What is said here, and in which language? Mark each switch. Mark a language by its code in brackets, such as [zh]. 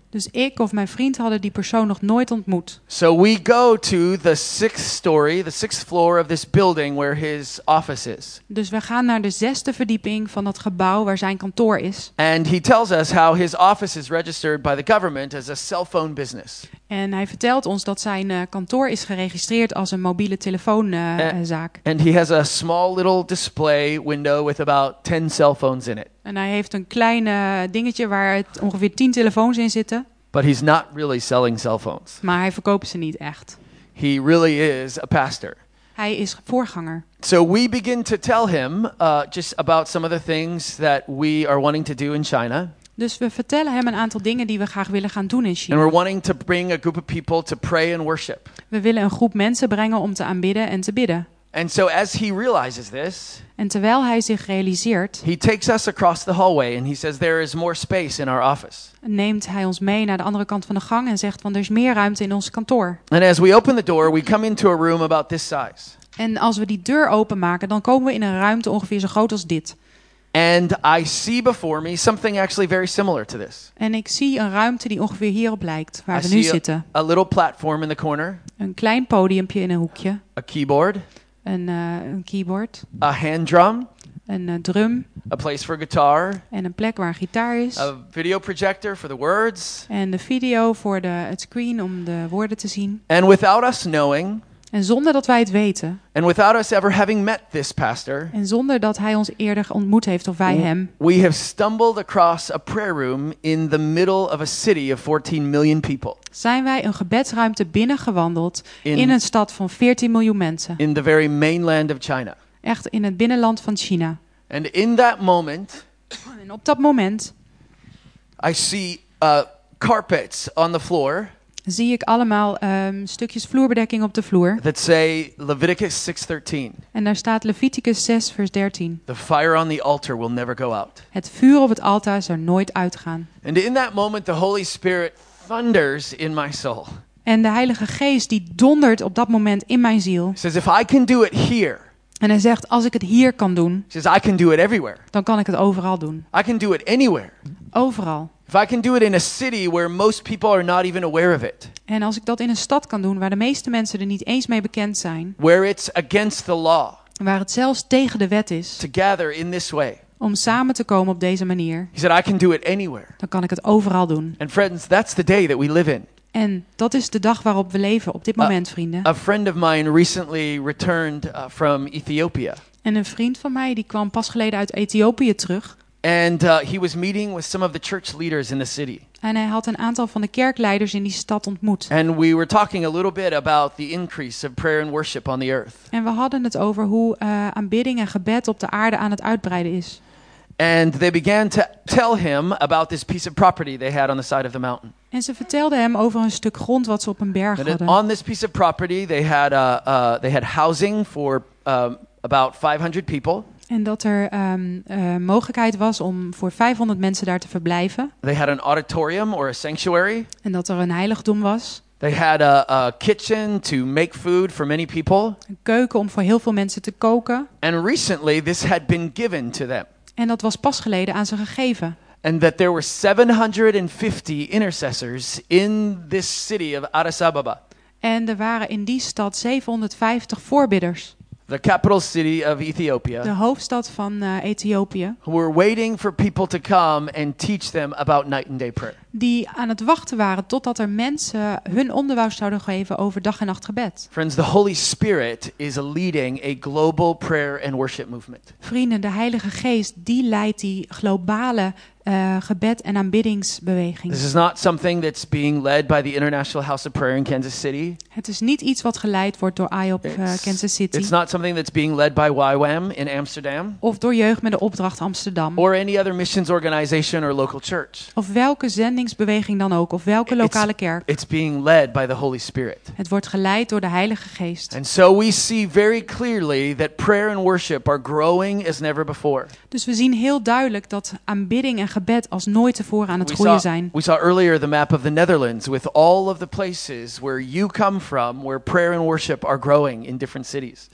[nl] Dus ik of mijn vriend hadden die persoon nog nooit ontmoet. [en] So we go to the sixth story, the sixth floor of this building where his office is. [nl] Dus we gaan naar de zesde verdieping van dat gebouw waar zijn kantoor is. [en] And he tells us how his office is registered by the government as a cell phone business. [nl] En hij vertelt ons dat zijn kantoor is geregistreerd als een mobiele telefoonzaak. [en] And he has a small little display window with about 10 cell phones in it. [nl] En hij heeft een klein dingetje waar het ongeveer 10 telefoons in zitten. [en] But he's not really selling cell phones. [nl] Maar hij verkoopt ze niet echt. [en] He really is a pastor. [nl] Hij is voorganger. [en] So we begin to tell him just about some of the things that we are wanting to do in China. [nl] Dus we vertellen hem een aantal dingen die we graag willen gaan doen in China. [en] And we're wanting to bring a group of people to pray and worship. [nl] We willen een groep mensen brengen om te aanbidden en te bidden. [en] And so as he realizes this, [nl] en terwijl hij zich realiseert, [en] he takes us across the hallway and he says there is more space in our office. [nl] Neemt hij ons mee naar de andere kant van de gang en zegt van er is meer ruimte in ons kantoor. [en] And as we open the door, we come into a room about this size. [nl] En als we die deur openmaken, dan komen we in een ruimte ongeveer zo groot als dit. [en] And I see before me something actually very similar to this. [nl] En ik zie een ruimte die ongeveer hierop lijkt, waar we nu zitten. [en] A little platform in the corner. [nl] Een klein podiumpje in een hoekje. [en] A keyboard. [nl] Een keyboard. [en] A hand drum. [nl] Een drum. [en] A place for guitar. [nl] En een plek waar een gitaar is. [en] A video projector for the words. [nl] En de video voor het screen om de woorden te zien. [en] And without us knowing. [nl] En zonder dat wij het weten. [en] And without us ever having met this pastor. [nl] En zonder dat hij ons eerder ontmoet heeft of wij hem. [en] We have stumbled across a prayer room in the middle of a city of 14 million people. [nl] Zijn wij een gebedsruimte binnengewandeld in een stad van 14 miljoen mensen. [en] In the very mainland of China. [nl] Echt in het binnenland van China. [en] And in that moment. [nl] En op dat moment. [en] I see carpets on the floor. [nl] Zie ik allemaal stukjes vloerbedekking op de vloer. [en] That say Leviticus 6:13. [nl] En daar staat Leviticus 6 vers 13. [en] The fire on the altar will never go out. [nl] Het vuur op het altaar zal nooit uitgaan. [en] And in that moment the Holy Spirit thunders in my soul. [nl] En de Heilige Geest die dondert op dat moment in mijn ziel. [en] Says if I can do it here. [nl] En hij zegt als ik het hier kan doen. [en] Says I can do it everywhere. [nl] Dan kan ik het overal doen. [en] I can do it anywhere. [nl] Overal. [en] If I can do it in a city where most people are not even aware of it. [nl] En als ik dat in een stad kan doen waar de meeste mensen er niet eens mee bekend zijn. [en] Where it's against the law. [nl] Waar het zelfs tegen de wet is. [en] To gather in this way. [nl] Om samen te komen op deze manier. [en] He said, I can do it anywhere. [nl] Dan kan ik het overal doen. [en] And friends, that's the day that we live in. [nl] En dat is de dag waarop we leven op dit moment, vrienden. [en] A friend of mine recently returned from Ethiopia. [nl] En een vriend van mij die kwam pas geleden uit Ethiopië terug. [en] And he was meeting with some of the church leaders in the city. [nl] En hij had een aantal van de kerkleiders in die stad ontmoet. [en] And we were talking a little bit about the increase of prayer and worship on the earth. [nl] En we hadden het over hoe aanbidding en gebed op de aarde aan het uitbreiden is. [en] And they began to tell him about this piece of property they had on the side of the mountain. [nl] En ze vertelden hem over een stuk grond wat ze op een berg hadden. [en] On this piece of property they had housing for about 500 people. [nl] En dat er mogelijkheid was om voor 500 mensen daar te verblijven. [en] They had an auditorium or a sanctuary. [nl] En dat er een heiligdom was. [en] They had a kitchen to make food for many people. [nl] Een keuken om voor heel veel mensen te koken. [en] And recently this had been given to them. [nl] En dat was pas geleden aan ze gegeven. [en] And that there were 750 intercessors in this city of Addis Ababa. [nl] En er waren in die stad 750 voorbidders. [en] The capital city of Ethiopia. [nl] De hoofdstad van Ethiopië. [en] Who were waiting for people to come and teach them about night and day prayer. [nl] Die aan het wachten waren totdat er mensen hun onderwijs zouden geven over dag en nacht gebed. [en] Friends, the Holy Spirit is leading a global prayer and worship movement. [nl] Vrienden, de Heilige Geest die leidt die globale gebed en aanbiddingsbeweging. [en] This is not something that's being led by the International House of Prayer in Kansas City. [nl] Het is niet iets wat geleid wordt door IHOP Kansas City. [en] It's not something that's being led by YWAM in Amsterdam. [nl] Of door Jeugd met de Opdracht Amsterdam. [en] Or any other missions organization or local church. [nl] Of welke zendingsbeweging dan ook, of welke lokale kerk. [en] It's being led by the Holy Spirit. [nl] Het wordt geleid door de Heilige Geest. [en] And so we see very clearly that prayer and worship are growing as never before. [nl] Dus we zien heel duidelijk dat aanbidding en gebed als nooit tevoren aan het groeien zijn. [en] We saw earlier the map of the Netherlands with all of the places where you come from where prayer and worship are growing in different cities.